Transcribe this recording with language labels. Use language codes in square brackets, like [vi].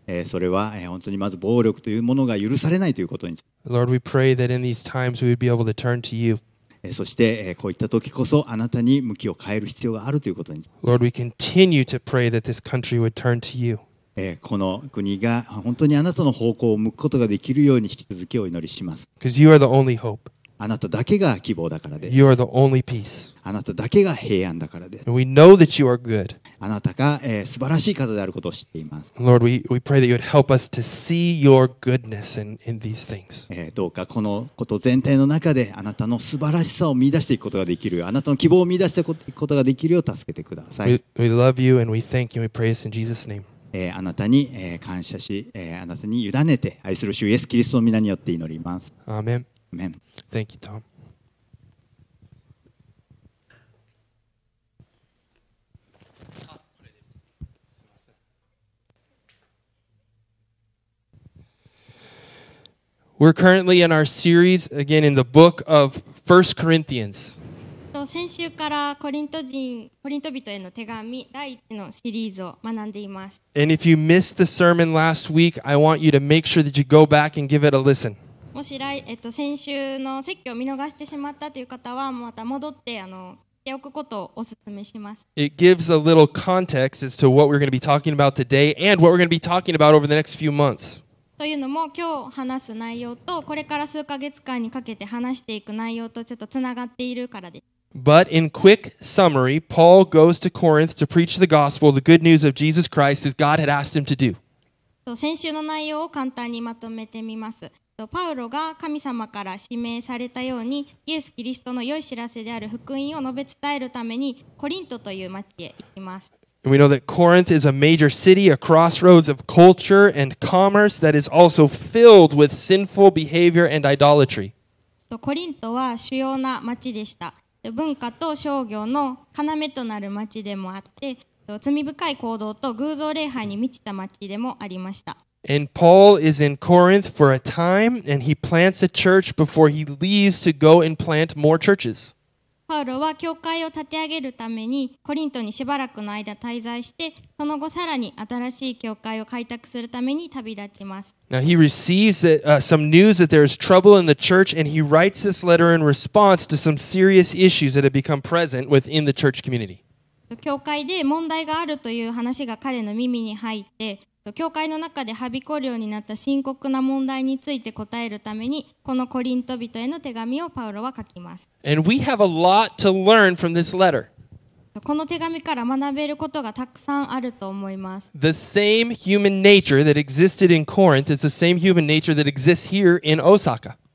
[ja] それは本当にまず暴力というものが許されないということに。 [en] Lord, we pray that in these times we would be able to turn to you. [ja] そしてこういった時こそあなたに向きを変える必要があるということに。 [en] Lord, we continue to pray that this country would turn to you. [ja] この国が本当にあなたの方向を向くことができるように引き続きお祈りします。 [en] Because you are the only hope. [ja] あなただけが希望だからです。 [en] You are the only peace. [ja] あなただけが平安だからです。 [en] And we know that you are good. [ja] あなたが、素晴らしい方であることを知っています。 [en] Lord, we pray that you would help us to see your goodness in these things. [ja] どうかこのこと全体の中で、あなたの素晴らしさを見出していくことができるよう、あなたの希望を見出していくことができるよう助けてください。 [en] We love you and we thank you and we praise in Jesus' name. [ja] あなたに、感謝し、あなたに委ねて愛する主イエスキリストの御名によって祈ります。アーメン。アーメン。 [en] Thank you, Tom. We're currently in our series again in the book of 1 Corinthians. [ja] 先週からコリント人への手紙第一のシリーズを学んでいます。 [en] And if you missed the sermon last week, I want you to make sure that you go back and give it a listen. [ja] もし先週の説教を見逃してしまったという方は、また戻って聞いておくことをお勧めします。 [en] It gives a little context as to what we're going to be talking about today and what we're going to be talking about over the next few months. [ja] というのも今日話す内容とこれから数ヶ月間にかけて話していく内容とちょっとつながっているからです。 [en] But in quick summary, Paul goes to Corinth to preach the gospel, the good news of Jesus Christ, as God had asked him to do. [ja] 先週の内容を簡単にまとめてみます。パウロが神様から指名されたようにイエス・キリストの良い知らせである福音を述べ伝えるためにコリントという町へ行きます。 [en] We know that Corinth is a major city, a crossroads of culture and commerce that is also filled with sinful behavior and idolatry. [ja] コリントは主要な町でした。文化と商業の要となる町でもあって、罪深い行動と偶像礼拝に満ちた町でもありました。 [en] And Paul is in Corinth for a time, and he plants a church before he leaves to go and plant more churches. [ja] パウロは教会を立て上げるためにコリントにしばらくの間滞在して、その後さらに新しい教会を開拓するために旅立ちます。 [en] Now he receives some news that there is trouble in the church, and he writes this letter in response to some serious issues that have become present within the church community. [ja] 教会で問題があるという話が彼の耳に入って、教会の中ではびこるようになった深刻な問題について答えるためにこのコリント人への手紙をパウロは書きます。 [en] And we have a lot to learn from this letter. [ja] この手紙から学べることがたくさんあると思います。 [en] The same human nature that existed in Corinth is the same human nature that exists here in Osaka.